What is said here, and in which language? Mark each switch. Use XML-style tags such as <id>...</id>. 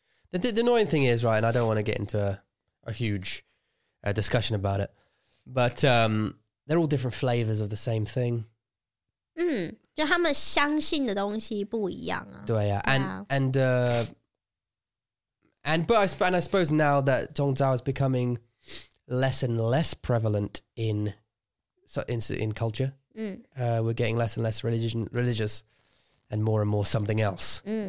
<en>The annoying thing is, right, and I don't want to get into a huge discussion about it, but they're all different flavors of the same thing.</en> <zh>就他们相信的东西不一样啊。对啊</zh> <en>and I suppose now that 宗教 is becoming less and less prevalent in culture. We're getting less and less religious and more something else.</en>